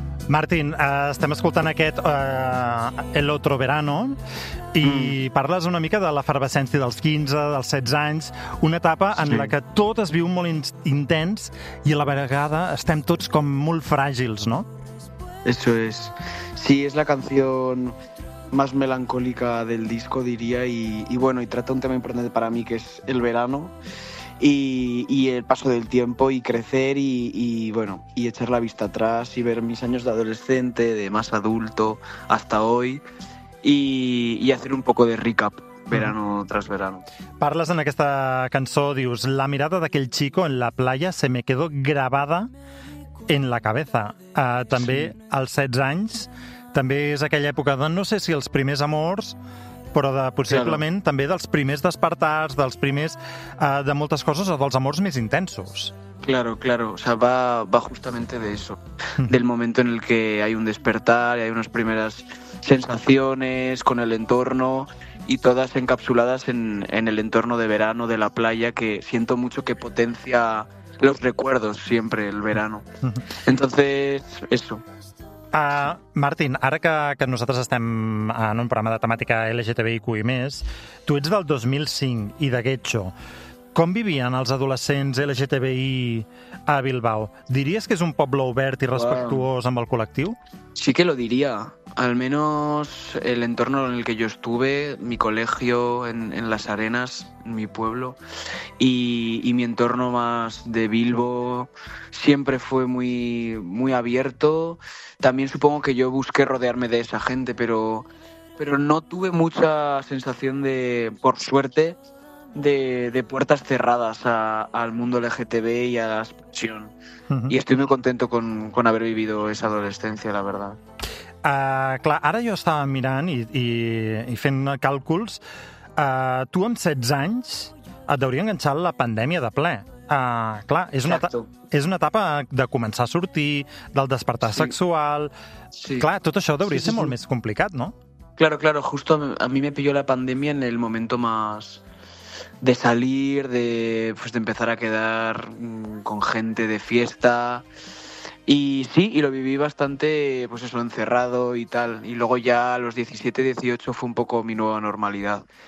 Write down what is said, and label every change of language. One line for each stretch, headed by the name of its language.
Catalan: Martín, estem escoltant aquest El Otro Verano i parles una mica de l'efervescència dels 15, dels 16 anys, una etapa en la que tot es viu molt intens i a la vegada estem tots com molt fràgils, no?
Spanish: Eso es. Sí, es la canción más melancólica del disco, diría, y bueno, y trata un tema importante para mí, que es el verano. Y el paso del tiempo y crecer y bueno, y echar la vista atrás y ver mis años de adolescente, de más adulto hasta hoy y hacer un poco de recap verano tras verano.
Catalan: Parles en aquesta cançó, dius, la mirada d'aquell
Spanish: chico en la playa se me quedó grabada en la cabeza.
Catalan: També als 16 anys, també és aquella època de no sé si els primers amors, però de, possiblement claro. També dels primers despertars, dels primers de moltes coses o dels amors més intensos.
Spanish: Claro, claro. O sea, va justamente de eso. Del momento en el que hay un despertar y hay unas primeras sensaciones con el entorno y todas encapsuladas en el entorno de verano, de la playa, que siento mucho que potencia los recuerdos siempre, el verano. Entonces, eso.
Catalan: Martín, ara que nosaltres estem en un programa de temàtica LGTBIQ i més, tu ets del 2005 i de Getxo. Com vivien els adolescents LGTBI a Bilbao? Diries que és un poble obert i respectuós amb el col·lectiu?
Spanish: Sí que lo diría. Al menos el entorno en el que yo estuve, mi colegio en Las Arenas, en mi pueblo, y mi entorno más de Bilbo, siempre fue muy, muy abierto. También supongo que yo busqué rodearme de esa gente, pero no tuve mucha sensación de, por suerte, de puertas cerradas al mundo LGTB y a la expresión. Y estoy muy contento con haber vivido esa adolescencia, la verdad.
Catalan: Clar, ara jo estava mirant i fent càlculs. Tu amb 16 anys et deuria enganxar la pandèmia de ple. Clar, és una etapa de començar a sortir, del despertar sexual. Sí. Clar, tot això deuria ser molt més complicat, no?
Spanish: Claro, claro. Justo a mí me pilló la pandemia en el momento más de salir, de empezar a quedar con gente de fiesta. Y sí, y lo viví bastante, pues eso, encerrado y tal. Y luego ya a los 17, 18 fue un poco mi nueva normalidad.